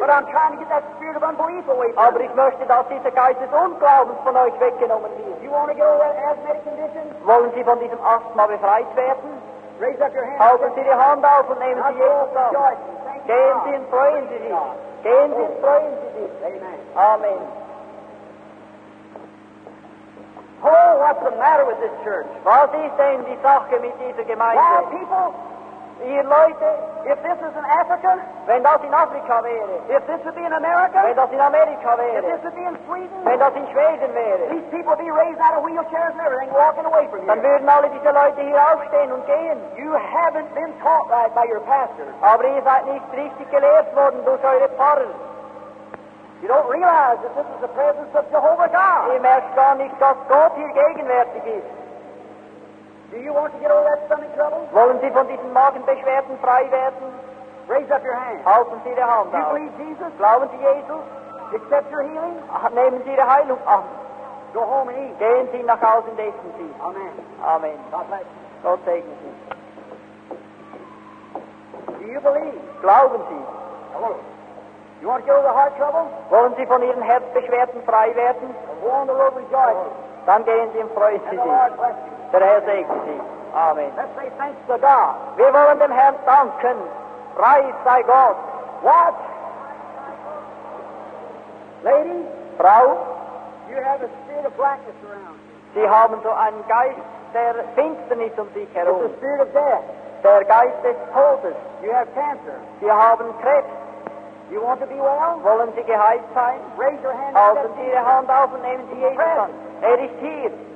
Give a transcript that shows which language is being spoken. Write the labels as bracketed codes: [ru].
[en] But I'm trying to get that spirit of unbelief away from [de] Aber ich möchte, dass dieser Geist des Unglaubens von euch weggenommen wird. [en] You want to get over that asthmatic condition? [de] Wollen Sie von diesem Asthma befreit werden? [en] Raise up your hand. [de] Halten Sie die Hand auf und nehmen Sie Jesus auf. Gehen Sie und freuen Sie sich. Gehen Sie und freuen Sie sich. [en] Amen. [de] Amen. [en] Oh, what's the matter with this church? [de] Was ist denn die Sache mit dieser Gemeinde? [en] Why, people? [de] Ihr Leute? [en] If this is in Africa? [de] Wenn das in Afrika wäre. [en] If this would be in America? [de] Wenn das in Amerika wäre. [en] If this would be in Sweden? [de] Wenn das in Schweden wäre. [en] These people be raised out of wheelchairs and everything, walking away from here. [de] Dann würden alle diese Leute hier aufstehen und gehen. [en] You haven't been taught right by your pastor. [de] Aber ihr seid nicht richtig gelehrt worden durch eure Pfarrer. [en] You don't realize that this is the presence of Jehovah God. [de] Ihr merkt gar nicht, dass Gott hier gegenwärtig ist. [en] Do you want to get all that stomach trouble? [de] Wollen Sie von diesen Magenbeschwerden frei werden? [en] Raise up your hand. [de] Halten Sie die Hand auf. [en] You believe Jesus? [de] Glauben Sie Jesus? [en] Accept your healing? [de] Nehmen Sie Ihre Heilung an. [en] Go home and eat. [de] Gehen Sie nach Hause und essen Sie. [en] Amen. [de] Amen. [en] God bless you. [de] Gott segne Sie. [en] Do you believe? [de] Glauben Sie. Hallo. [en] You want to get over the heart trouble? [de] Wollen Sie von Ihren Herzbeschwerden frei werden? [en] The Lord rejoice. [de] Dann gehen Sie und freuen Sie sich. Der Herr segne Sie. Amen. [en] Let's say thanks to God. [de] Wir wollen dem Herrn danken. Preis sei Gott. [en] What? Lady? [de] Frau? [en] You have a spirit of blackness around you. [de] Sie haben so einen Geist der Finsternis um sich herum. [en] It's a spirit of death. [de] Der Geist des Todes. [en] You have cancer. [de] Sie haben Krebs. [en] You want to be well? [de] Wollen Sie geheilt sein? [en] Raise your hand. [de] Halten Sie Ihre Hand auf und nehmen Sie Jesus an. Er ist hier.